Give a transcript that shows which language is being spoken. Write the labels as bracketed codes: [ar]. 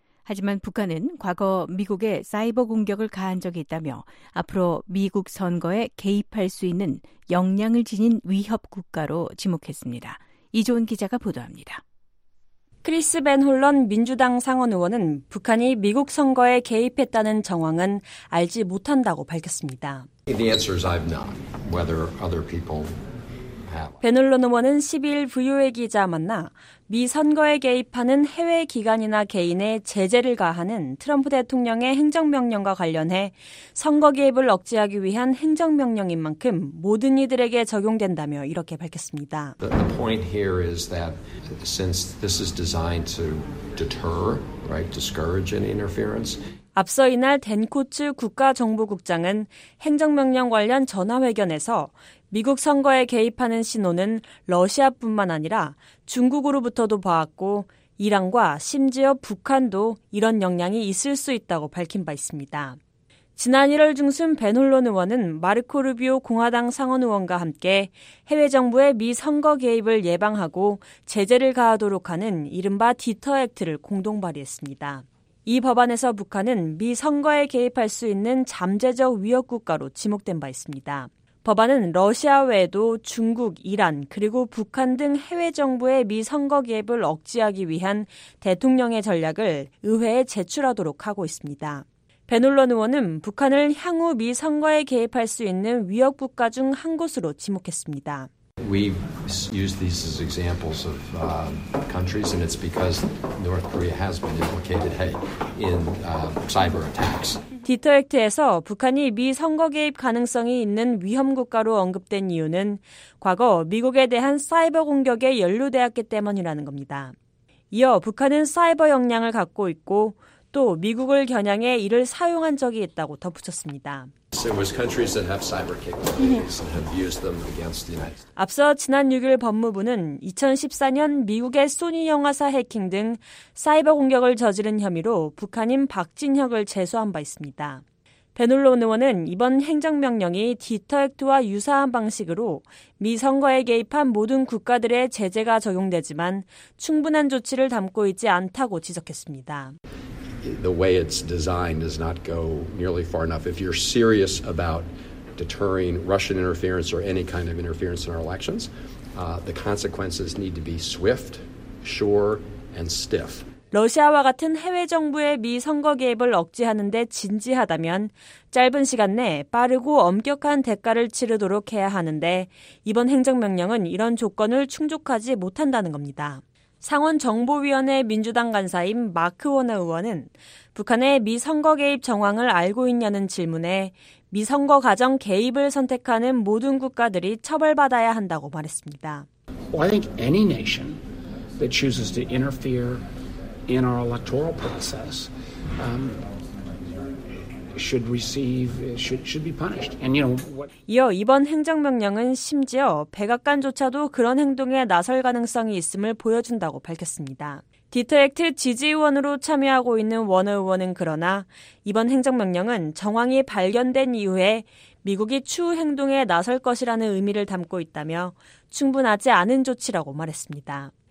[ko] 하지만 북한은 과거 미국에 사이버 공격을 가한 적이 있다며 앞으로 미국 선거에 개입할 수 있는 역량을 지닌 위협 국가로 지목했습니다. 이조은 기자가 보도합니다. 크리스 벤 홀런 민주당 상원 의원은 북한이 미국 선거에 개입했다는 정황은 알지 못한다고 밝혔습니다. [en] The answer is I've not. Whether other people [ko] 베놀론 의원은 12일 VOA 기자 만나 미 선거에 개입하는 해외 기관이나 개인에 제재를 가하는 트럼프 대통령의 행정명령과 관련해 선거 개입을 억제하기 위한 행정명령인 만큼 모든 이들에게 적용된다며 이렇게 밝혔습니다. [en] The point here is that since this is designed to deter, right, discourage any interference. [ko] 앞서 이날 댄 코츠 국가정보국장은 행정명령 관련 전화회견에서 미국 선거에 개입하는 신호는 러시아뿐만 아니라 중국으로부터도 봐왔고 이란과 심지어 북한도 이런 역량이 있을 수 있다고 밝힌 바 있습니다. 지난 1월 중순 베놀론 의원은 마르코 루비오 공화당 상원 의원과 함께 해외 정부의 미 선거 개입을 예방하고 제재를 가하도록 하는 이른바 디터 액트를 공동 발의했습니다. 이 법안에서 북한은 미 선거에 개입할 수 있는 잠재적 위협 국가로 지목된 바 있습니다. 법안은 러시아 외에도 중국, 이란, 그리고 북한 등 해외 정부의 미 선거 개입을 억제하기 위한 대통령의 전략을 의회에 제출하도록 하고 있습니다. 베놀런 의원은 북한을 향후 미 선거에 개입할 수 있는 위협 국가 중 한 곳으로 지목했습니다. [en] We use these as examples of countries, and it's because North Korea has been implicated in cyber attacks. [ko] 디터 액트에서 북한이 미 선거 개입 가능성이 있는 위험 국가로 언급된 이유는 과거 미국에 대한 사이버 공격에 연루되었기 때문이라는 겁니다. 이어 북한은 사이버 역량을 갖고 있고 또 미국을 겨냥해 이를 사용한 적이 있다고 덧붙였습니다. [en] It was countries that have cyber capabilities and have used them against the United States. [ko] 앞서 지난 6일 법무부는 2014년 미국의 소니 영화사 해킹 등 사이버 공격을 저지른 혐의로 북한인 박진혁을 제소한 바 있습니다. 베놀론 의원은 이번 행정명령이 디터 액트와 유사한 방식으로 미 선거에 개입한 모든 국가들의 제재가 적용되지만 충분한 조치를 담고 있지 않다고 지적했습니다. [en] The way it's designed does not go nearly far enough. If you're serious about deterring Russian interference or any kind of interference in our elections, the consequences need to be swift, sure, and stiff. [ko] 러시아와 같은 해외 정부의 미 선거 개입을 억제하는 데 진지하다면 짧은 시간 내 빠르고 엄격한 대가를 치르도록 해야 하는데 이번 행정명령은 이런 조건을 충족하지 못한다는 겁니다. 상원 정보위원회 민주당 간사인 마크 워너 의원은 북한의 미 선거 개입 정황을 알고 있냐는 질문에 미 선거 과정 개입을 선택하는 모든 국가들이 처벌받아야 한다고 말했습니다. [en] Well, I think any nation that chooses to interfere in our electoral process should receive should be punished. And you know what? [ko] 이어 이번 행정 명령은 심지어 백악관조차도 그런 행동에 나설 가능성이 있음을 보여준다고 밝혔습니다. 디터 액트 지지 의원으로 참여하고 있는 워너 의원은 그러나 이번 행정 명령은 정황이 발견된 이후에 미국이 추후 행동에 나설 것이라는 의미를 담고 있다며 충분하지 않은 조치라고 말했습니다.